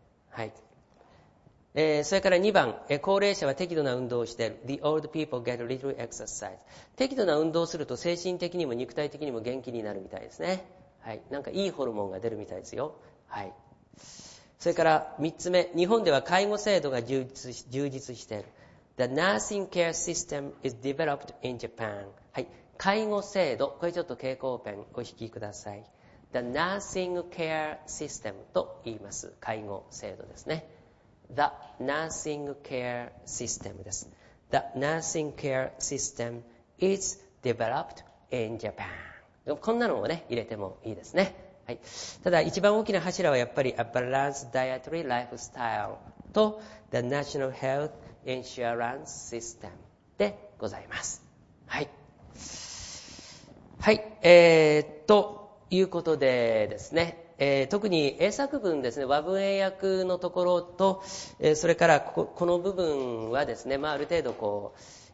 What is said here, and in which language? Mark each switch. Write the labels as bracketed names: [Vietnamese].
[Japanese] はい、それから2番、高齢者は適度な運動をしている。 [English] The old people get a little exercise。 [Japanese] 適度な運動をすると精神的にも肉体的にも元気になるみたいですね。はい、なんかいいホルモンが出るみたいですよ。はい、それから3つ目、日本では介護制度が充実している。 [English] The nursing care system is developed in Japan。 [Japanese] はい、介護制度、これちょっと蛍光ペンお引きください。 The nursing care system と言います。介護制度ですね。The nursing care system です。 [English] The nursing care system is developed in Japan。 [Japanese] こんなのをね、入れてもいいですね。はい、ただ一番大きな柱はやっぱり A balanced dietary lifestyle と The National Health Insurance System でございます。はい、はい、ということでですね、特に英作文ですね、和文英訳のところと、それから この部分はですね、まあ、ある程度こう、